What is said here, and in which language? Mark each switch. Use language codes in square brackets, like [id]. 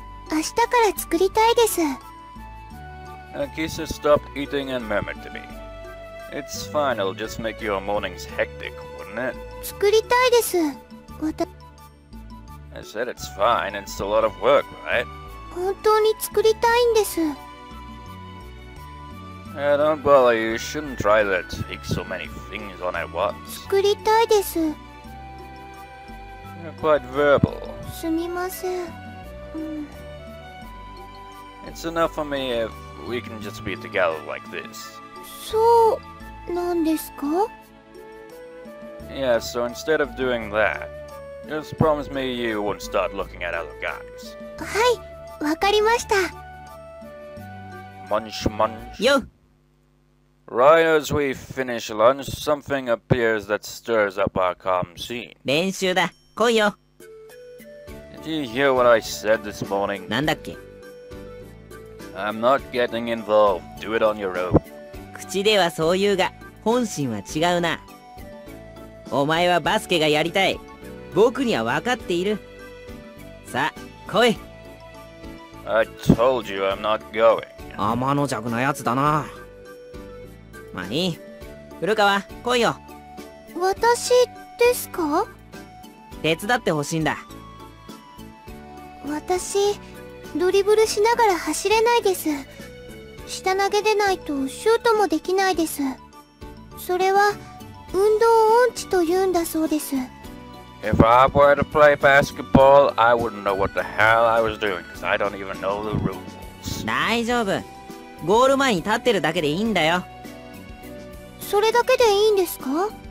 [ja] 明日から作りたいです. [en] Nagisa stopped eating and murmured to me. It's fine, it'll just make your mornings hectic, wouldn't it? [ja] 作りたいです. [en] I said it's fine, it's a lot of work, right? [ja] 本当に作りたいんです. [en] Yeah, don't bother, you shouldn't try to take so many things on at once. [ja] 作りたいです. [en] You're quite verbal. [ja] すみません. [en] It's enough for me if we can just be together like this. [ja] そうなんですか? [en] Yeah, so instead of doing that, just promise me you won't start looking at other guys. [ja] はい、わかりました. [en] Munch, munch. Yo! Right as we finish lunch, something appears that stirs up our calm scene. [ja] 練習だ、来いよ! [en] Did you hear what I said this morning? [ja] 何だっけ? [en] I'm not getting involved. Do it on your own. [ja] 口ではそう言うが、本心は違うな。お前はバスケがやりたい。僕には分かっている。さあ、来い。 [en] I told you I'm not going. [ja] 天の弱なやつだな。まあいい。古川、来いよ。私ですか? 手伝ってほしいんだ。私… ドリブルしながら走れないです。下投げでないとシュートもできないです。それは運動音痴というんだそうです。 [en] If I were to play basketball, I wouldn't know what the hell I was doing because I don't even know the rules. [ja] 大丈夫。ゴール前に立ってるだけでいいんだよ。それだけでいいんですか?